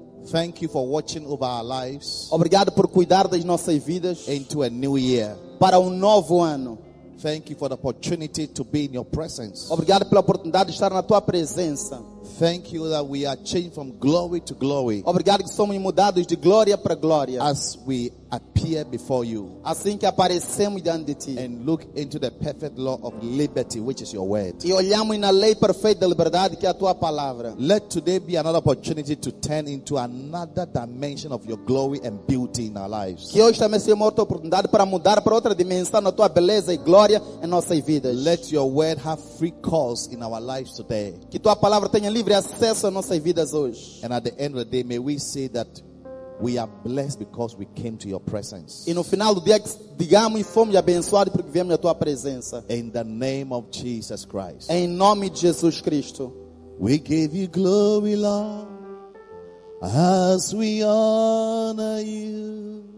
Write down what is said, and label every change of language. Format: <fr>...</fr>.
<en>Thank you for watching over our lives.</en> <pt>Obrigado por cuidar das nossas vidas.</pt> <en>Into a new year.</en> <pt>Para novo ano.</pt> <en>Thank you for the opportunity to be in your presence.</en> <pt>Obrigado pela oportunidade de estar na tua presença.</pt> <en>Thank you that we are changed from glory to glory.</en> <pt>Obrigado que somos mudados de glória para glória.</pt> <en>As we appear before you.</en> <pt>Assim que aparecemos diante de ti.</pt> <en>And look into the perfect law of liberty, which is your word.</en> <pt>E olhamos na lei perfeita da liberdade, que é a tua palavra.</pt> <en>Let today be another opportunity to turn into another dimension of your glory and beauty in our lives.</en> <pt>Que hoje também seja uma outra oportunidade para mudar para outra dimensão na tua beleza e glória em nossas vidas.</pt> <en>Let your word have free course in our lives today.</en> <pt>Que tua palavra tenha livre acesso às nossas vidas hoje.</pt> <en>And at the end of the day, may we say that we are blessed because we came to your presence.</en> <pt>E no final do dia, digamos, fomos abençoados porque viemos à tua presença.</pt> <en>In the name of Jesus Christ.</en> <pt>Em nome de Jesus Cristo.</pt> <en>We give you glory, Lord, as we honor you.</en>